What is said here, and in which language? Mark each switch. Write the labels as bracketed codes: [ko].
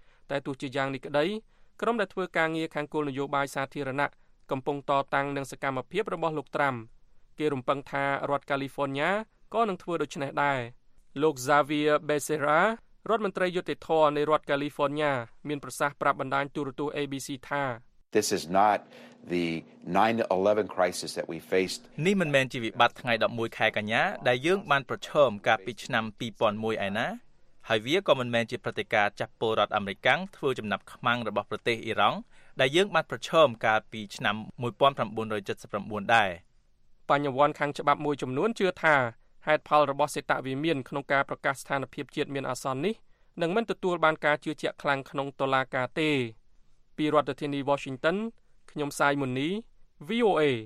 [km] តែទោះជាយ៉ាងនេះក្តីក្រុមដែលធ្វើការងារខាងគោលនយោបាយសាធារណៈកំពុងតតាំងនឹងសកម្មភាពរបស់លោកត្រាំគេរំពឹងថារដ្ឋកាលីហ្វ័រញ៉ាក៏នឹងធ្វើដូច្នេះដែរលោក Xavier Becerra រដ្ឋមន្ត្រីយុតិធធនៃរដ្ឋកាលីហ្វ័រញ៉ាមានប្រសាសន៍ប្រាប់បណ្ដាញទូរទស្សន៍ ABC ថា [en] This is not the 9/11 crisis that we faced [km] នេះមិនមែនជាវិបត្តិថ្ងៃ11ខែកញ្ញាដែលយើងបានប្រឈមកាលពីឆ្នាំ2001ឯណាហើយវាក៏មិនមែនជាព្រឹត្តិការណ៍ចាប់ពលរដ្ឋអាមេរិកធ្វើចំណាប់ខ្មាំងរបស់ប្រទេសអ៊ីរ៉ង់ដែលយើងបានប្រឈមកាលពីឆ្នាំ1979ដែរ បញ្ញវន្តខាងច្បាប់មួយចំនួនជឿថាហេតុផលរបស់សេតវិមានក្នុងការប្រកាសស្ថានភាពជាតិមានអាសន្ននេះនឹងមិនទទួលបានការជឿជាក់ខ្លាំងក្នុងតុលាការទេពីរដ្ឋធានី Washington ខ្ញុំសាយមុនី VOA